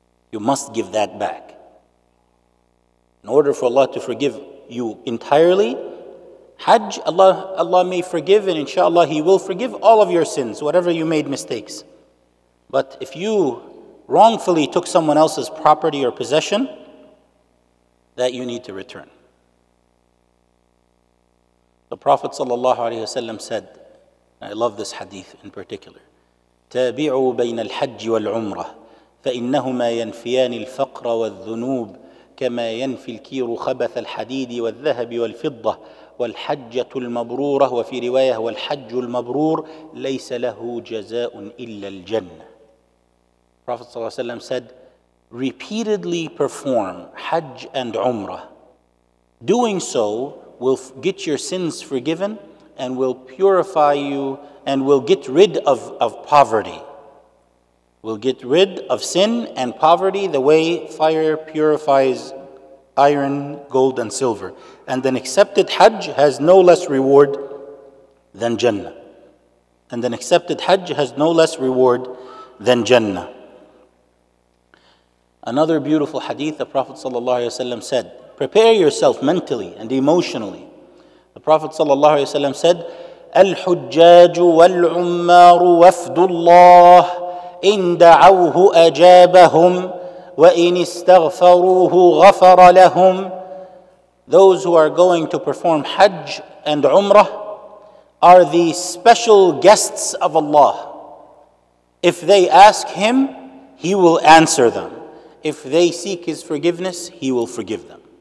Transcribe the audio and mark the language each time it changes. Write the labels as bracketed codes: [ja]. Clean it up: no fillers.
[en] You must give that back. In order for Allah to forgive you entirely, Hajj, Allah may forgive, and inshallah He will forgive all of your sins, whatever you made mistakes. But if you wrongfully took someone else's property or possession, that you need to return. The Prophet sallallahu alaihi wasallam said, and I love this hadith in particular, [ar] تابعوا بين الحج والعمرة فإنهما ينفيان الفقر والذنوب كما ينفي الكير خبث الحديد والذهب والفضة والحجة المبرورة وفي رواية والحج المبرور ليس له جزاء إلا الجنة. [en] Prophet sallallahu alaihi wasallam said, repeatedly perform Hajj and Umrah. Doing so will get your sins forgiven and will purify you and will get rid of poverty. Will get rid of sin and poverty the way fire purifies iron, gold, and silver. And an accepted Hajj has no less reward than Jannah. And an accepted Hajj has no less reward than Jannah. Another beautiful hadith, the Prophet ﷺ said, prepare yourself mentally and emotionally. The Prophet sallallahu alaihi wasallam said, [ar] الحجاج والعمار وفد الله إن دعوه أجابهم وإن استغفروه غفر لهم. [en] Those who are going to perform Hajj and Umrah are the special guests of Allah. If they ask Him, He will answer them. If they seek His forgiveness, He will forgive them.